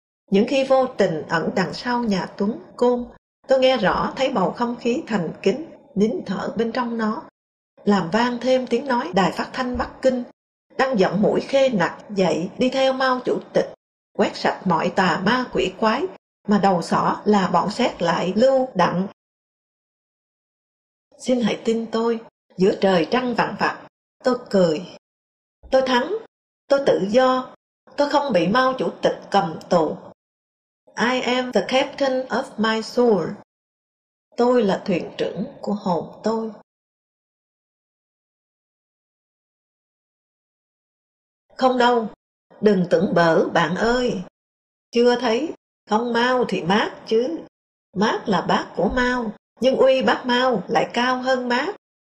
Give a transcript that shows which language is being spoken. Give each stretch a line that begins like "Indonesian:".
Vietnamese: Những khi vô tình ẩn đằng sau nhà Tuấn Côn, tôi nghe rõ thấy bầu không khí thành kính, nín thở bên trong nó, làm vang thêm tiếng nói đài phát thanh Bắc Kinh, đang giọng mũi khê nặc dậy đi theo Mao chủ tịch, quét sạch mọi tà ma quỷ quái, mà đầu sỏ là bọn xét lại lưu đặng. Xin hãy tin tôi, giữa trời trăng vằn vặt, tôi cười. Tôi thắng, tôi tự do, tôi không bị Mao chủ tịch cầm tù.
English: I am the captain of my soul.
Vietnamese: Tôi là thuyền trưởng của hồn tôi. Không đâu, đừng tưởng bở bạn ơi. Chưa thấy, không Mao thì Mác chứ. Mác là bác của Mao, nhưng uy bác Mao lại cao hơn Mác.